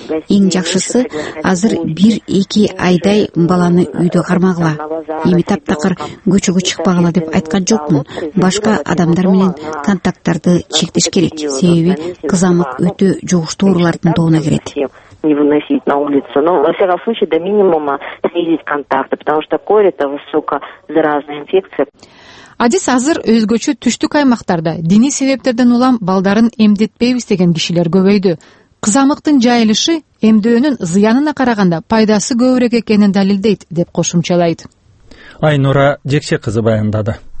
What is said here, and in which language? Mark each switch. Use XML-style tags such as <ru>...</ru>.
<ky>Эң жакшысы азыр 1-2 айдай баланы үйдө кармагыла. Эми таптакыр көчөгө чыкпагыла деп айткан жокмун. Башка адамдар менен контакттарды чектеш керек. Себеби кызамык өтө жугуштуу оорулардын тобуна кирет.</ky> <ru>Не выносить на улицу. Но, во всяком случае, до минимума снизить контакты, потому что корь это высокозаразная инфекция.</ru> <ky>Адис азыр өзгөчө түштүк аймактарда диний себептерден улам балдарын эмдетпейбиз деген кишилер көбөйдү. Кызамыктын жайылышы эмдөөнүн зыянына караганда пайдасы көбүрөөк экенин далилдейт деп кошумчалайт. Айнура Жекше кызы баяндады.</ky>